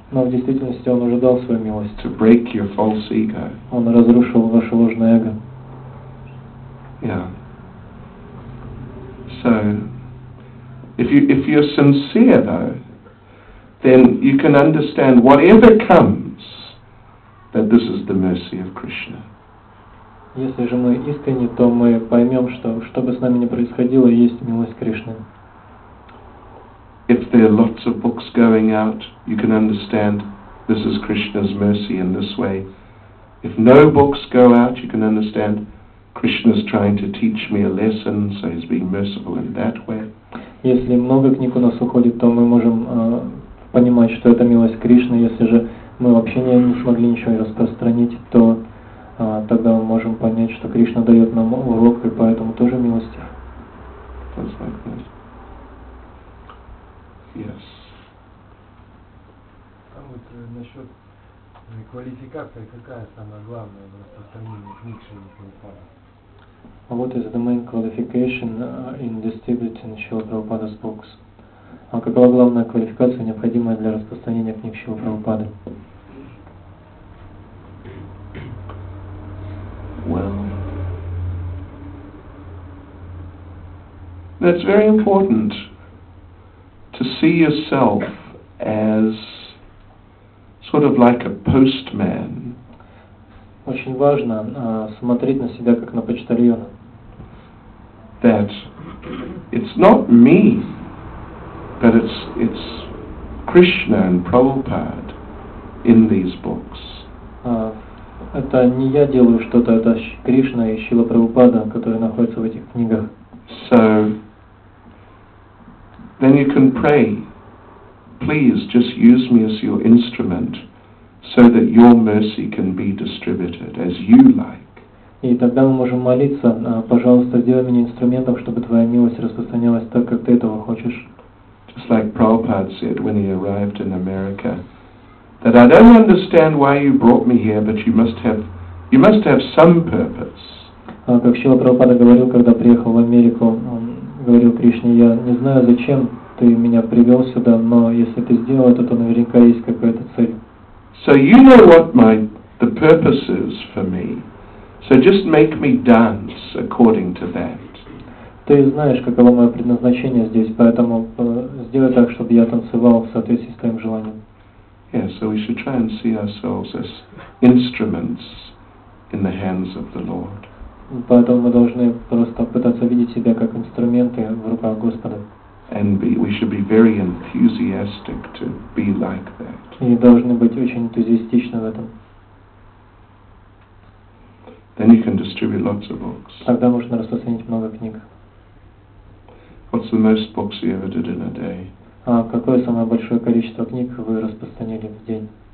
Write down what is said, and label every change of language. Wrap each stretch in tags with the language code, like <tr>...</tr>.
<ru>Но в действительности он уже дал свою милость.</ru> <en>To break your false ego.</en> <ru>Он разрушил ваше ложное эго.</ru> <en>Yeah. So, if you're sincere though, then you can understand whatever comes, that this is the mercy of Krishna.</en> <ru>Если же мы искренни, то мы поймем, что что бы с нами ни происходило, есть милость Кришны.</ru> <en>If there are lots of books going out, you can understand this is Krishna's mercy in this way. If no books go out, you can understand Krishna's trying to teach me a lesson, so he's being merciful in that way.</en> <ru>Если много книг у нас уходит, то мы можем понимать, что это милость Кришны. Если же мы вообще не смогли ничего распространить, то тогда мы можем понять, что Кришна дает нам урок, и поэтому тоже милости.</ru> <en>That's like that. Yes.</en> <ru>А вот насчет квалификации, какая самая главная в распространении книг Шрилы Прабхупады?</ru> <en>What is the main qualification in distributing Srila Prabhupada's books?</en> <ru>Какова главная квалификация, необходимая для распространения книг Шрилы Прабхупады?</ru> <en>Well, that's very important to see yourself as sort of like a postman.</en> <ru>Очень важно смотреть на себя как на почтальона.</ru> <en>That it's not me, but it's Krishna and Prabhupada in these books.</en> <ru>Это не я делаю что-то, это Кришна и Шрила Прабхупада, которые находятся в этих книгах.</ru> <en>So then you can pray, please just use me as your instrument, so that your mercy can be distributed as you like.</en> <ru>И тогда мы можем молиться, пожалуйста, сделай меня инструментом, чтобы твоя милость распространялась так, как ты этого хочешь.</ru> <en>Just like Prabhupada said when he arrived in America, that I don't understand why you brought me here, but you must have some purpose.</en> <ru>Как Шрила Прабхупада говорил, когда приехал в Америку, он говорил Кришне, я не знаю, зачем ты меня привел сюда, но если ты сделал это, то наверняка есть какая-то цель.</ru> <en>So you know what the purpose is for me. So just make me dance according to that.</en> <ru>Ты знаешь, каково мое предназначение здесь, поэтому сделай так, чтобы я танцевал в соответствии с твоим желанием.</ru> <en>Yeah, so we should try and see ourselves as instruments in the hands of the Lord.</en> <ru>Поэтому мы должны просто пытаться видеть себя как инструменты в руках Господа.</ru> <en>And we should be very enthusiastic to be like that.</en> <ru>И должны быть очень энтузиастичны в этом.</ru> <en>Then you can distribute lots of books.</en> <ru>Тогда можно распространить много книг.</ru> <en>What's the most books you ever did in a day?</en> <ru>А какое самое большое количество книг вы распространили в день?</ru>